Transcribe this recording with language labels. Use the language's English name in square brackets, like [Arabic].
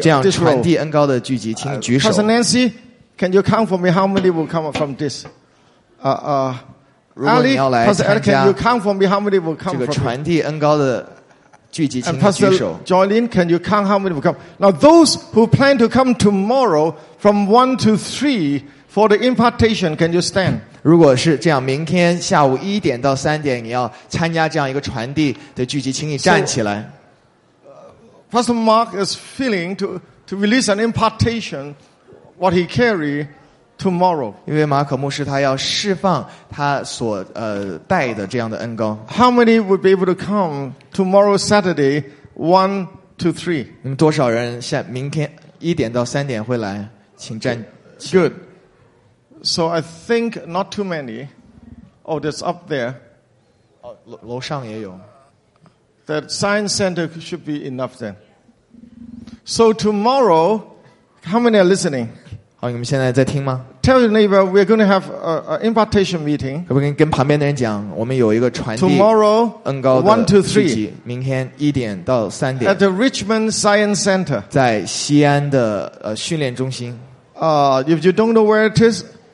[Chinese] 这样传递恩膏的聚集，请举手。 [English] Pastor Nancy, can you count for me? How many will come from this? [Chinese] 如果你要来参加， [English] can you count for me? How many will come from [Chinese] 这个传递恩膏的聚集，请举手。 [English] And Pastor Jolene, can you count how many will come? Now those who plan to come tomorrow. From 1 to 3 for the impartation, can you stand? [Chinese] 如果是这样，明天下午一点到三点，你要参加这样一个传递的聚集，请你站起来。 [English] Pastor Mark is feeling to release an impartation what he carry tomorrow. [Chinese] 因为马可牧师他要释放他所带的这样的恩膏。 [English] How many would be able to come tomorrow Saturday 1 to 3? [Chinese] 你们多少人下明天一点到三点会来请站请 [English] Good. So I think not too many. Oh, that's up there. [Chinese] 楼上也有。 [English] The science center should be enough then. So tomorrow, how many are listening? [Chinese] 好，你们现在在听吗？ [English] Tell your neighbor we're going to have an impartation meeting. [Chinese] 可不可以跟旁边的人讲，我们有一个传递 [English] tomorrow, [Chinese] 恩膏的 [English] one to three, [Chinese] 明天一点到三点 [English] at the Richmond Science Center. [Chinese] 在西安的训练中心。 [English] If you don't know where it is,